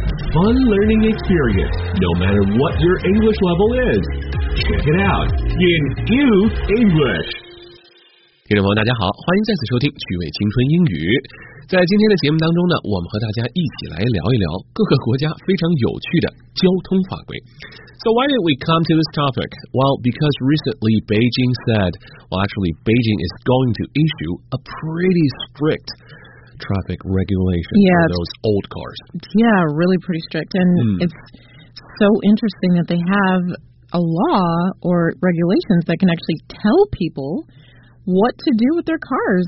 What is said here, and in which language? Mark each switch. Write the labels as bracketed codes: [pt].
[en] Fun learning experience, no matter what your English level is. Check it out in Use English. [zh] 听众朋友大家好，欢迎再次收听趣味青春英语。在今天的节目当中呢，我们和大家一起来聊一聊各个国家非常有趣的交通法规。 [en] So why did we come to this topic? Well, because recently Beijing said, well, actually Beijing is going to issue a pretty strict traffic regulation for those old cars. Yeah, really pretty strict. And it's so interesting that they have a law or regulations that can actually tell people what to do with their cars.